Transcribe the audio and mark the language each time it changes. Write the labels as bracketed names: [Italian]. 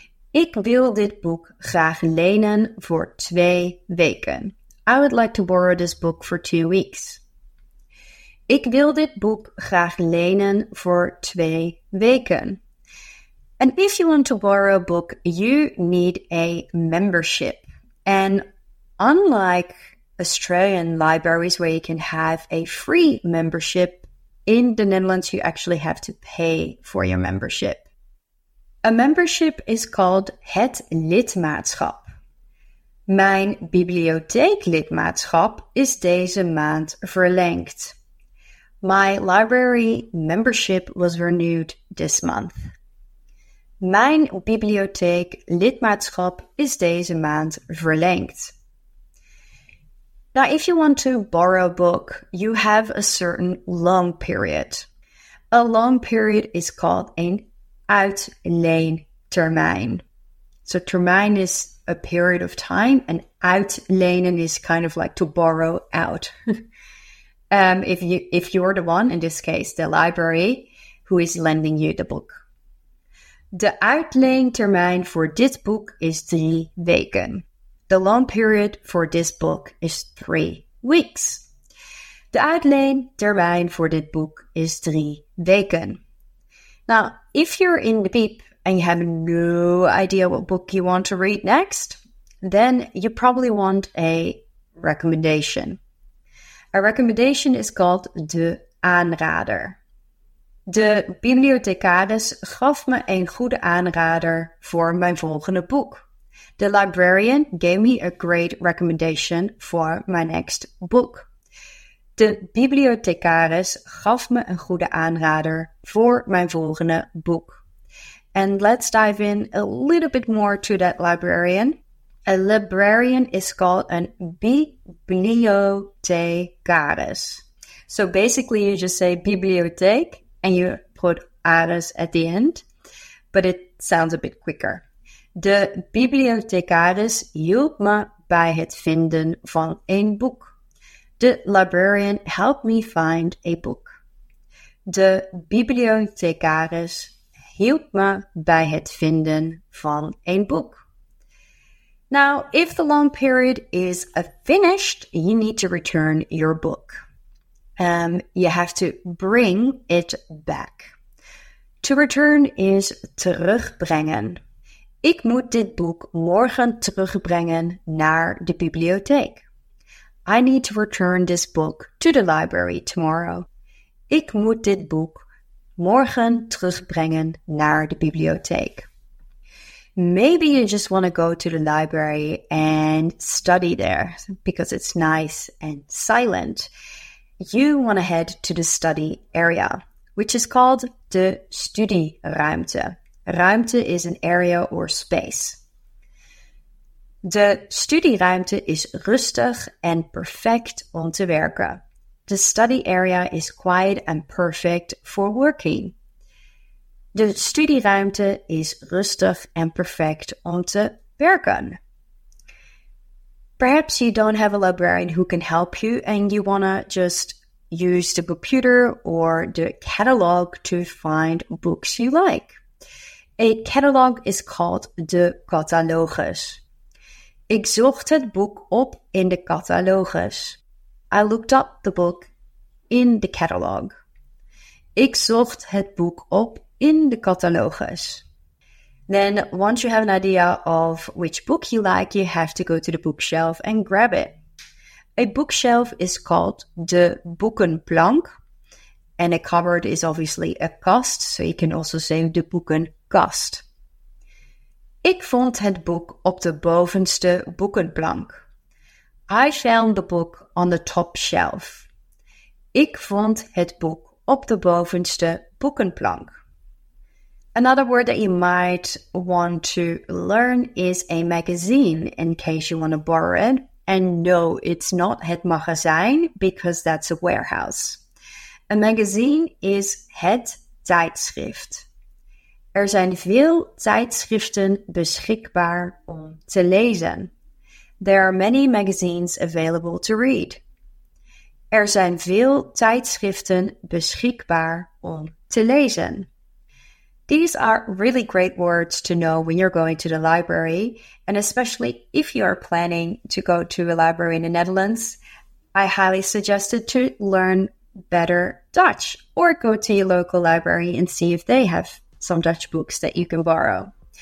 [Dutch] Ik wil dit boek graag lenen voor 2 weken. [English] I would like to borrow this book for 2 weeks. [Dutch] Ik wil dit boek graag lenen voor 2 weken. [English] And if you want to borrow a book, you need a membership. And unlike Australian libraries where you can have a free membership, in the Netherlands you actually have to pay for your membership. A membership is called het lidmaatschap. [Dutch] Mijn bibliotheeklidmaatschap is deze maand verlengd. [English] My library membership was renewed this month. [Dutch] Mijn bibliotheeklidmaatschap is deze maand verlengd. [English] Now, if you want to borrow a book, you have a certain loan period. A loan period is called an uitleentermijn. So, termijn is a period of time, and uitlenen is kind of like to borrow out. if you're the one, in this case, the library, who is lending you the book. [Dutch] De uitleentermijn voor dit boek is 3 weken. [English] The loan period for this book is 3 weeks. [Dutch] De uitleentermijn voor dit boek is 3 weken. [English] Now, if you're in the beep and you have no idea what book you want to read next, then you probably want a recommendation. A recommendation is called de aanrader. [Dutch] De bibliothecaris gaf me een goede aanrader voor mijn volgende boek. [English] The librarian gave me a great recommendation for my next book. [Dutch] De bibliothecaris gaf me een goede aanrader voor mijn volgende boek. [English] And let's dive in a little bit more to that librarian. A librarian is called a bibliothecaris. So basically you just say bibliotheek and you put aris at the end, but it sounds a bit quicker. [Dutch] De bibliothecaris hielp me bij het vinden van een boek. [English] The librarian helped me find a book. [Dutch] De bibliothecaris hielp me bij het vinden van een boek. [English] Now, if the loan period is finished, you need to return your book. You have to bring it back. To return is terugbrengen. [Dutch] Ik moet dit boek morgen terugbrengen naar de bibliotheek. [English] I need to return this book to the library tomorrow. [Dutch] Ik moet dit boek morgen terugbrengen naar de bibliotheek. [English] Maybe you just want to go to the library and study there because it's nice and silent. You want to head to the study area, which is called de studieruimte. Ruimte is an area or space. [Dutch] De studieruimte is rustig en perfect om te werken. [English] The study area is quiet and perfect for working. [Dutch] De studieruimte is rustig en perfect om te werken. [English] Perhaps you don't have a librarian who can help you and you want to just use the computer or the catalog to find books you like. A catalog is called de catalogus. [Dutch] Ik zocht het boek op in de catalogus. [English] I looked up the book in the catalog. [Dutch] Ik zocht het boek op in de catalogus. [English] Then, once you have an idea of which book you like, you have to go to the bookshelf and grab it. A bookshelf is called de boekenplank. And a cupboard is obviously a kast, so you can also say de boekenkast. [Dutch] Ik vond het boek op de bovenste boekenplank. [English] I found the book on the top shelf. [Dutch] Ik vond het boek op de bovenste boekenplank. [English] Another word that you might want to learn is a magazine, in case you want to borrow it. And no, it's not het magazijn, because that's a warehouse. A magazine is het tijdschrift. [Dutch] Er zijn veel tijdschriften beschikbaar om te lezen. [English] There are many magazines available to read. [Dutch] Er zijn veel tijdschriften beschikbaar om te lezen. [English] These are really great words to know when you're going to the library, and especially if you're planning to go to a library in the Netherlands, I highly suggest it to learn better Dutch or go to your local library and see if they have some Dutch books that you can borrow.